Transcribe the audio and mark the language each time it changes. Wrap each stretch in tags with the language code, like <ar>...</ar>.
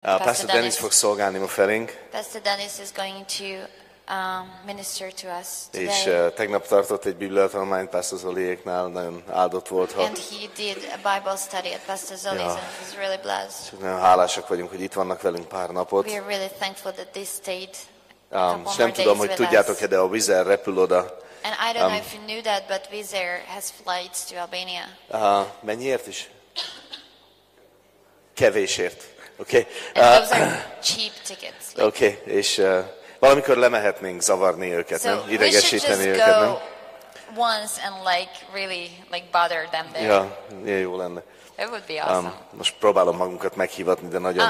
<hu>Pastor Dennis fog szolgálni ma felénk.</hu> <en>Pastor Dennis is going to minister to us today.</en> <hu>És tegnap tartott egy bibliatanulmányt Pastor Zoliéknál, nagyon áldott volt.</hu> <en>And he did a Bible study at Pastor Zoli's and he's really blessed.</en> <hu>Csak nagyon hálásak vagyunk, hogy itt vannak velünk pár napot.</hu> <en>We are really thankful that they stayed.</en> <hu>És nem tudom, hogy tudjátok-e, de a Wizz Air repül oda.</hu> <en>And I don't know if you knew that, but Wizz Air has flights to Albania.</en> <hu>Mennyiért is? Kevésért. Okay.</hu> <en>And those are cheap tickets. Like. Okay.</en> <hu>És valamikor lemehetnénk zavarni őket,</hu> <en>so</en> <hu>nem? Idegesíteni őket, nem?</hu> <en>Once and like really like bother them there.</en> <hu>Ja, yeah, jó lenne.</hu> <en>It would be awesome.</en> <hu>Most próbálom magunkat meghívatni, de nagyon...</hu>